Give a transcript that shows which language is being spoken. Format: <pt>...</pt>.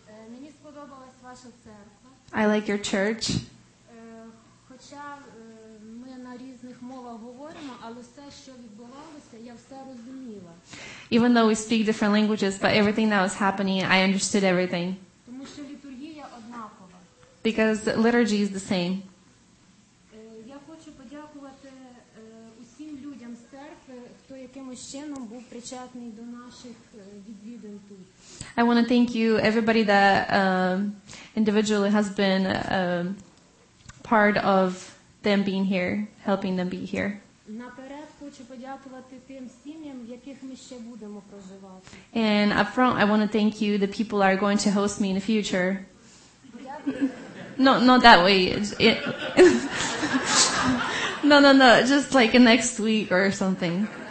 <uk>Мені сподобалась ваша церква.</uk> <en>I like your church.</en> <uk>Хоча ми на різних мовах говоримо, але все, що відбувалося, я все розуміла.</uk> <en>Even though we speak different languages, but everything that was happening, I understood everything.</en> <uk>Тому що літургія однакова.</uk> <en>Because liturgy is the same.</en> <uk>Я хочу подякувати усім людям з церкви, хто якимось чином був причетний до наших відвідин тут.</uk> <en>I want to thank you everybody that individually has been part of them being here, helping them be here.</en> <uk>Наперед хочу подякувати тим сім'ям, в яких ми ще будемо проживати.</uk> <en>And up front, I want to thank you the people that are going to host me in the future. Not that way. No. Just like next week or something.</en>